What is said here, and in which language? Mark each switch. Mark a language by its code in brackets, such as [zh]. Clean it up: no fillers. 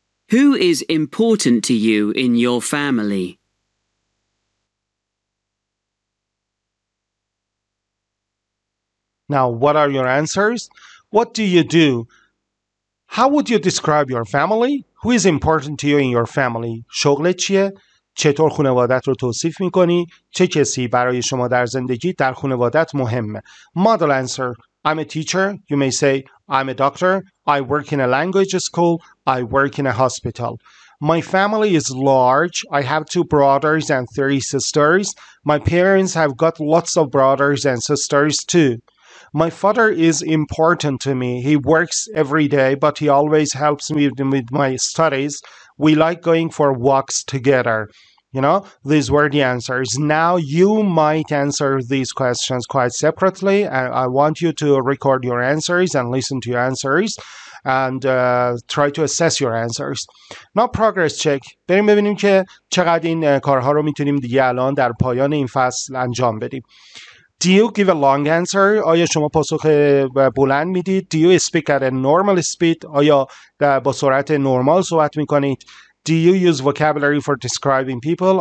[en] Who is important to you in your family? 4. Now, what are your answers? What do you do? How would you describe your family? Who is important to you in your family? [fa] شغلت چیه؟ چطور خانوادت رو توصیف میکنی؟ چه کسی برای شما در زندگی در خانوادت مهمه؟ [en] Model answer. I'm a teacher. You may say, I'm a doctor. I work in a language school. I work in a hospital. My family is large. I have 2 brothers and 3 sisters. My parents have got lots of brothers and sisters too. My father is important to me. He works every day, but he always helps me with my studies. We like going for walks together. You know, these were the answers. Now you might answer these questions quite separately. And I want you to record your answers and listen to your answers and try to assess your answers. Now progress check. [fa] بریم ببینیم که چقدر این کارها رو میتونیم دیگه الان در پایان این فصل انجام بدیم. [en] Do you give a long answer? [fa] آیا شما پاسخ بلند میدید? [en] Do you speak at a normal speed? [fa] آیا با سرعت نرمال صحبت میکنید? [en] Do you use vocabulary for describing people?